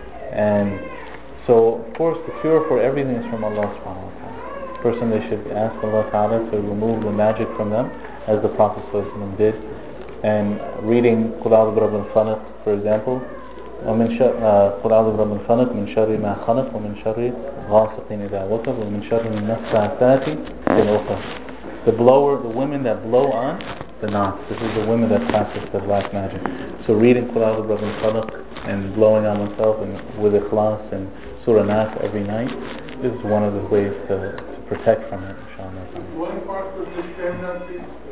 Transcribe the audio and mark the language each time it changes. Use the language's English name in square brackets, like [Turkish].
[English] And so, of course, the cure for everything is from Allah subhanahu wa ta'ala. The person, they should ask Allah ta'ala to remove the magic from them, as the Prophet ﷺ did. And reading [Arabic] قُلْ أَعُوذُ بِرَبِّ الْفَلَقِ, [English] for example, [Arabic] قُلْ أَعُوذُ بِرَبِّ الْفَلَقِ مِنْ شَرِّ مَا خَلَقَ وَمِنْ شَرِّ غَاسِقٍ إِذَا وَقَبَ وَمِنْ شَرِّ النَّفَّاثَاتِ فِي الْعُقَدِ. [English] The blower, the women that blow on the knots. This is the women that practice the black magic. So reading [Arabic] قُلْ أَعُوذُ بِرَبِّ الْفَلَقِ [English] and blowing on oneself and with ikhlas and surah Nas every night is one of the ways to protect from it, inshallah. One part of this tendency.